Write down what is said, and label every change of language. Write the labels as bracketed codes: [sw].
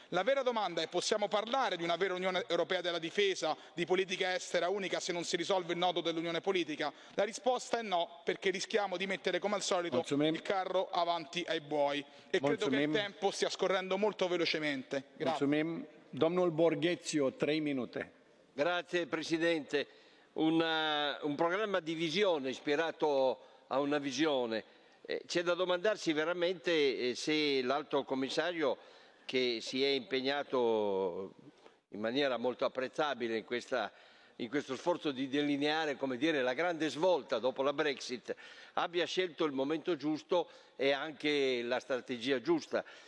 [it] La vera domanda è: possiamo parlare di una vera Unione Europea della difesa, di politica estera unica, se non si risolve il nodo dell'Unione politica? La risposta è no, perché rischiamo di mettere, come al solito, il carro avanti ai buoi. E credo che il tempo stia scorrendo molto velocemente. Grazie. [ro] Domnul Borghezio, 3 minute. [it] Grazie Presidente. Un programma di visione ispirato a una visione. C'è da domandarsi veramente se l'Alto Commissario, che si è impegnato in maniera molto apprezzabile in questo sforzo di delineare, come dire, la grande svolta dopo la Brexit, abbia scelto il momento giusto e anche la strategia giusta.